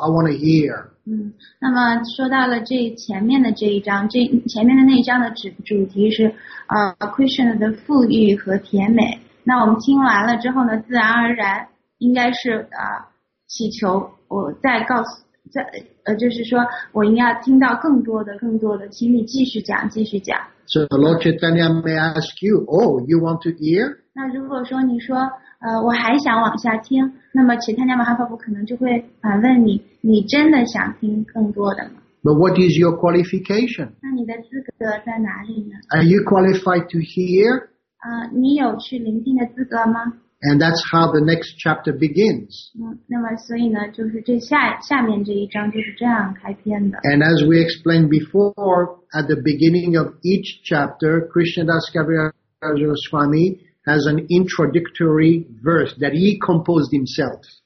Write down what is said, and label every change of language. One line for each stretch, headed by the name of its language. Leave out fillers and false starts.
English: I want to hear."
Chinese: 那么说到了这前面的这一章，这前面的那一章的主题是。 Krishna 的富裕和甜美，那我们听完了之后呢，自然而然应该是祈求我再告诉就是说我应该听到更多的，请你继续讲。
English: So Lord Chaitanya may ask you, oh, you want to hear?
Chinese: 那如果说你说我还想往下听，那么 Chaitanya Mahaprabhu 可能就会反问你，你真的想听更多的吗？
English: But what is your qualification?
Chinese: 那你的资格在哪里呢？
English: Are you qualified to hear?
Chinese: 你有去聆听的资格吗？
English: And that's how the next chapter begins.
Chinese: 那么所以呢，就是这下面这一章就是这样开篇的。
English: And as we explained before, at the beginning of each chapter, Krishnadas Kaviraja Swami has an introductory verse that he composed himself.